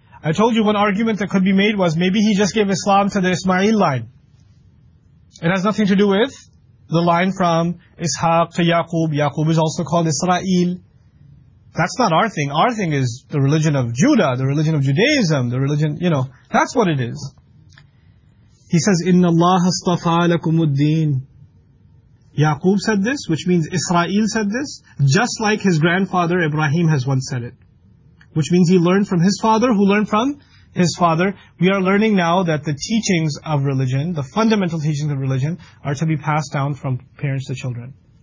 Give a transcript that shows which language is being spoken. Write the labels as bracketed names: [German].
[English] I told you one argument that could be made was maybe He just gave Islam to the Ismail line. It has nothing to do with the line from Ishaq to Yaqub. Yaqub is also called Israel. That's not our thing. Our thing is the religion of Judah, the religion of Judaism, the religion, you know, that's what it is. He says, [Arabic] إِنَّ اللَّهَ اصْطَفَى لَكُمُ الدِّينَ. [English] Yaqub said this, which means Israel said this, just like his grandfather Ibrahim has once said it. Which means he learned from his father, who learned from his father. We are learning now that the teachings of religion, the fundamental teachings of religion, are to be passed down from parents to children.